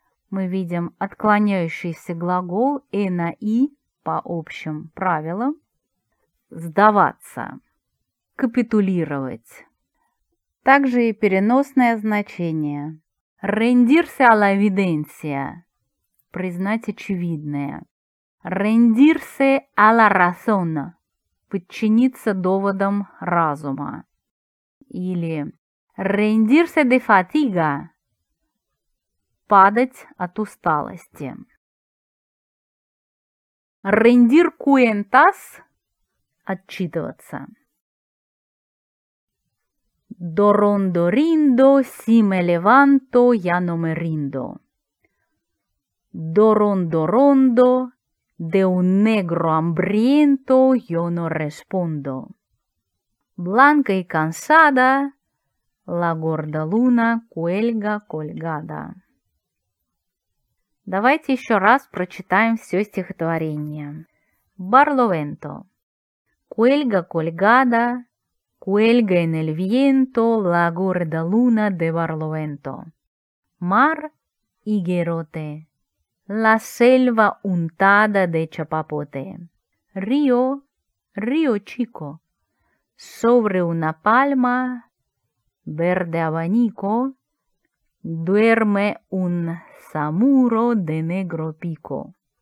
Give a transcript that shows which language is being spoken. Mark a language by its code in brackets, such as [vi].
[ru] Мы видим отклоняющийся глагол «э» на «и» по общим правилам. Сдаваться. Капитулировать. Также и переносное значение. [es] Rendirse a la evidencia. [ru] Признать очевидное. [es] Rendirse a la razón. [ru] Подчиниться доводам разума. [es] Или rendirse de fatiga. [ru] Падать от усталости. [es] Rendir cuentas – [ru] отчитываться. [es] Dorondorindo, si me levanto, ya no me rindo. Dorondorondo, de un negro hambriento, yo no respondo. Blanca y cansada, la gorda luna cuelga colgada. [ru] Давайте еще раз прочитаем все стихотворение. Барловенто. [es] Cuelga colgada, cuelga en el viento la gorda luna de Barlovento. Mar y guerote. La selva untada de chapapote. Río, río chico. Sobre una palma, verde abanico, duerme un Samuro de negro pico.